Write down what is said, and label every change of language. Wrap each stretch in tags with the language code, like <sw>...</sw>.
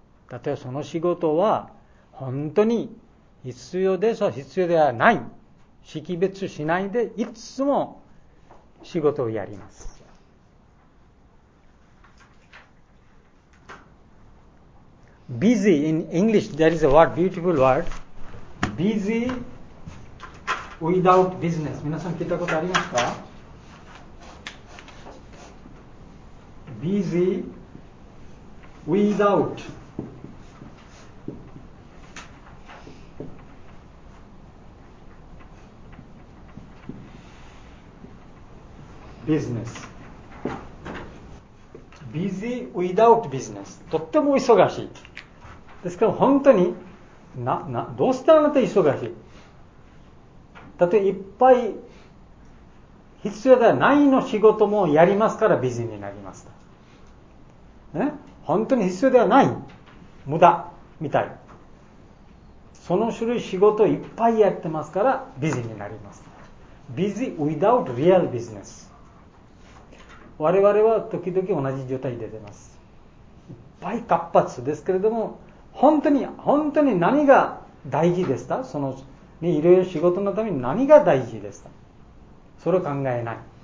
<ja>例えばその仕事は本当に必要です必要ではない、識別しないでいつも仕事をやります。</ja> <en>Busy in English, there is a word, beautiful word. Busy without business.</en> <ja>皆さん聞いたことありますか？</ja> <en>Busy without business. Busy without business.</en> <ja>とっても忙しい。ですから本当に、どうしてあなた忙しい？だっていっぱい必要ではないの仕事もやりますからビジになりました、ね。本当に必要ではない。無駄みたい。その種類仕事いっぱいやってますからビジになります。</ja> <en>Busy without real business.</en> <ja>我々は時々同じ状態に出てます。いっぱい活発ですけれども、本当に何が大事ですか？そのいろいろ仕事のために何が大事ですか？それを考えない。</ja>